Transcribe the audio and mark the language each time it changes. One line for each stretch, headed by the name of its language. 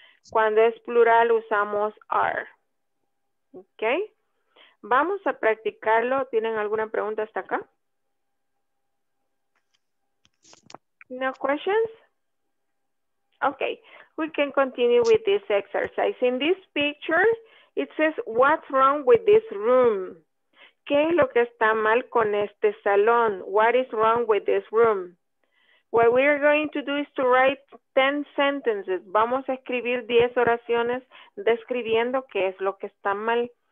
Spanish: Cuando es plural usamos are. Ok, vamos a practicarlo. ¿Tienen alguna pregunta hasta acá?
English: No questions? Ok, we can continue with this exercise. In this picture, it says, what's wrong with this room?
Spanish: ¿Qué es lo que está mal con este salón?
English: What is wrong with this room? What we are going to do is to write 10 sentences.
Spanish: Vamos a escribir 10 oraciones describiendo qué es lo que está mal.